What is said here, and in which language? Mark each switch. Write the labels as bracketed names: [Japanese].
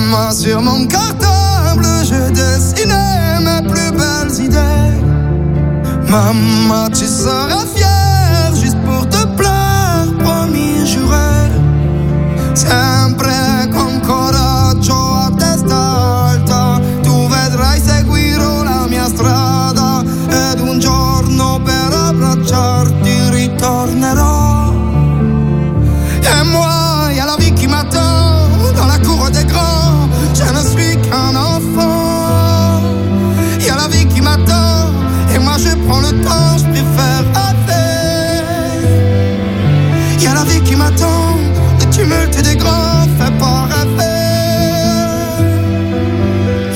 [French] Sur mon cartable, je dessinais mes plus belles idées. Mamma, tu seras fière juste pour te plaire, promis juré. [Italian] Sempre con coraggio a testa alta, tu vedrai seguirò la mia strada. Ed un giorno per abbracciarti ritornerò. [French] E moi, y'a la vie qui m'attend dans la cour des grands. Un enfant, y'a la vie qui m'attend, et moi je prends le temps, je préfère rêver. Y'a la vie qui m'attend, le tumulte des grands fait pas rêver.